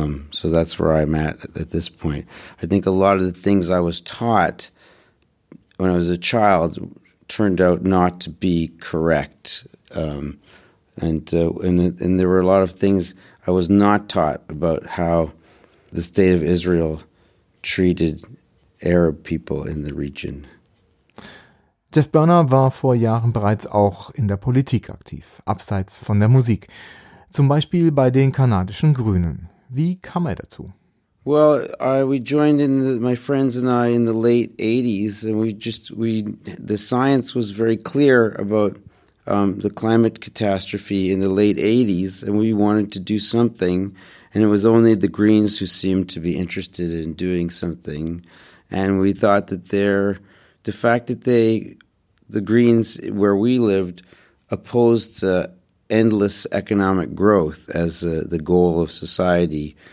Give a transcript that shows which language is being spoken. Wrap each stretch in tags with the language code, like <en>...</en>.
<en>So that's where I'm at this point. I think a lot of the things I was taught when I was a child turned out not to be correct. And there were a lot of things I was not taught about how the state of Israel treated Arab people in the region.</en> <de>Jeff Berner war vor Jahren bereits auch in der Politik aktiv, abseits von der Musik. Zum Beispiel bei den kanadischen Grünen. Wie kam er dazu?</de> <en>Well, we joined in my friends and I in the late 80s, and the science was very clear about the climate catastrophe in the late 80s, and we wanted to do something, and it was only the Greens who seemed to be interested in doing something, and we thought that the Greens, where we lived, opposed endless economic growth as the goal of society.</en>